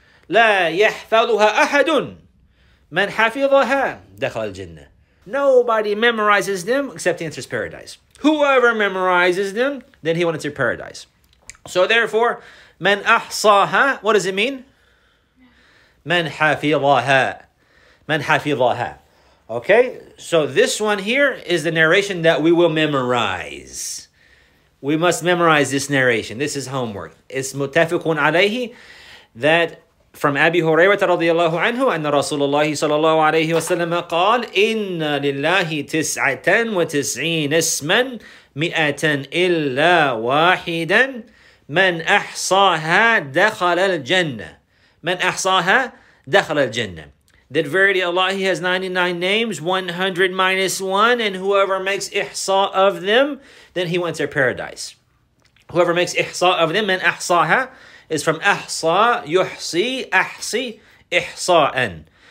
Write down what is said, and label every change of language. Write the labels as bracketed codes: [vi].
[ar] لا يحفظها أحد من حفظها دخل الجنة. [en] Nobody memorizes them except he enters paradise. Whoever memorizes them, then he went into paradise. So therefore, [ar] من أحصاها, [en] what does it mean? [ar] من حفظها. من حفظها. [en] Okay, so this one here is the narration that we will memorize. We must memorize this narration. This is homework. It's [ar] متفقون عليه [en] that from Abi Hurairah [ar] رضي الله عنه أن رسول الله صلى الله عليه وسلم قال إن لله 99 اسما 100 إلا واحدا من أحصاها دخل الجنة. من أحصاها دخل الجنة. [en] That verily Allah, He has 99 names, 100 minus 1, and whoever makes ihsa of them, then he wants their paradise. Whoever makes ihsa of them, [ar] man ahsaha, [en] is from ahsa, yuhsi, ahsi, ihsa'an.